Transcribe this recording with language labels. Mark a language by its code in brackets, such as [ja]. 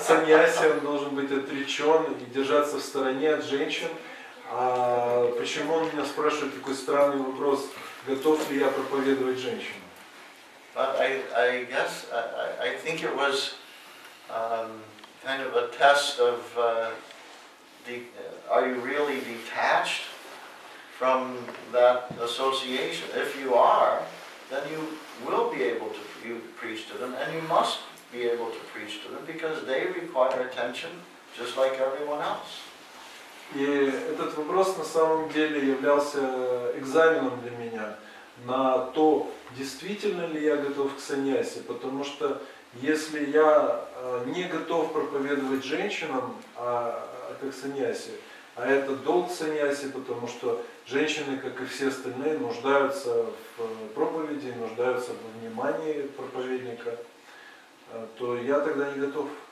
[ru] Sannyasi должен быть отречен и держаться в стороне от женщин. А почему он меня спрашивает такой странный вопрос, готов ли я проповедовать женщинам? [en] But I guess I think it was kind of a test of are you really detached from that association? If you are, then you will be able to preach to them, and you must be able to preach to them because they require attention just like everyone else. [ru] И этот вопрос на самом деле являлся экзаменом для меня на то, действительно ли я готов к саньясе, потому что если я не готов проповедовать женщинам, как саньясе, а это долг саньясе, потому что женщины, как и все остальные, нуждаются в проповеди, нуждаются во внимании проповедника, то я тогда не готов.